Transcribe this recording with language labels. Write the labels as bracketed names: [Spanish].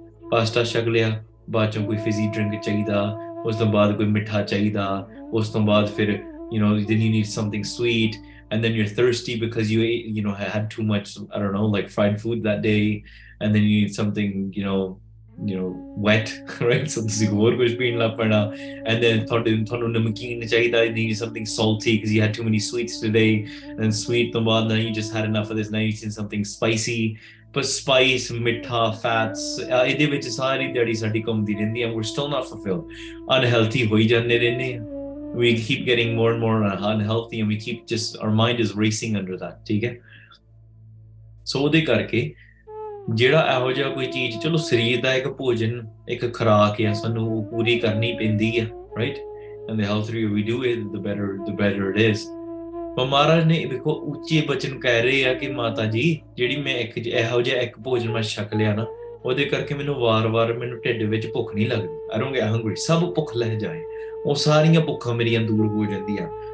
[Punjabi] Pasta ਛਕ ਲਿਆ, ਬਾਅਦ ਚੋਂ ਕੋਈ ਫਿਜ਼ੀ ਡਰਿੰਕ ਚਾਹੀਦਾ, ਉਸ ਤੋਂ ਬਾਅਦ ਕੋਈ ਮਿੱਠਾ ਚਾਹੀਦਾ, ਉਸ ਤੋਂ ਬਾਅਦ ਫਿਰ [English] you know then you need something sweet, and then you are thirsty because you ate, you know had too much, I don't know, like fried food that day, and then you need something you know what, right, so [Punjabi] ਤੁਸੀਂ ਹੋਰ ਕੁਝ ਪੀਣ ਲੱਗ ਪੈਣਾ, [English] and then [Punjabi] ਤੁਹਾਨੂੰ ਨਮਕੀਨ ਚਾਹੀਦਾ, [English] you need something salty because you had too many sweets today, and sweet [Punjabi] ਤੋਂ ਬਾਅਦ ਨਾ [English] You just had enough of this, ਨਾ you seen something spicy. [Punjabi] ਪਰ ਸਪਾਈਸ, ਮਿੱਠਾ, ਫੈਟਸ, ਇਹਦੇ ਵਿੱਚ ਸਾਰੀ ਦਿਹਾੜੀ ਸਾਡੀ ਘੁੰਮਦੀ ਰਹਿੰਦੀ ਹੈ। [English] we still not fulfilled, unhealthy [Punjabi] ਹੋਈ ਜਾਂਦੇ ਰਹਿੰਦੇ ਹਾਂ। [English] We keep getting more and more unhealthy, and we keep just, our mind is racing under that. [Punjabi] ਠੀਕ ਹੈ, ਸੋ ਉਹਦੇ ਕਰਕੇ ਜਿਹੜਾ ਇਹੋ ਜਿਹਾ ਕੋਈ ਚੀਜ਼, ਚਲੋ ਸਰੀਰ ਦਾ ਇੱਕ ਭੋਜਨ, ਇੱਕ ਖੁਰਾਕ ਆ, ਸਾਨੂੰ ਉਹ ਪੂਰੀ ਕਰਨੀ ਪੈਂਦੀ ਆ, right, [English] And the healthier we do it, the better, the better it is. [Punjabi] ਪਰ ਮਹਾਰਾਜ ਨੇ ਵੇਖੋ ਉੱਚੇ ਬਚਨ ਕਹਿ ਰਹੇ ਆ ਕਿ ਮਾਤਾ ਜੀ ਜਿਹੜੀ ਮੈਂ ਇੱਕ ਇਹੋ ਜਿਹਾ ਇੱਕ ਭੋਜਨ ਮੈਂ ਛਕ ਲਿਆ ਨਾ, ਉਹਦੇ ਕਰਕੇ ਮੈਨੂੰ ਵਾਰ ਵਾਰ ਮੈਨੂੰ ਢਿੱਡ ਵਿੱਚ ਭੁੱਖ ਨਹੀਂ ਲੱਗਦੀ, [English] I don't get hungry, [Punjabi] ਸਭ ਭੁੱਖ ਲਹਿ ਜਾਏ, ਉਹ ਸਾਰੀਆਂ ਭੁੱਖਾਂ ਮੇਰੀਆਂ ਦੂਰ ਹੋ ਜਾਂਦੀਆਂ।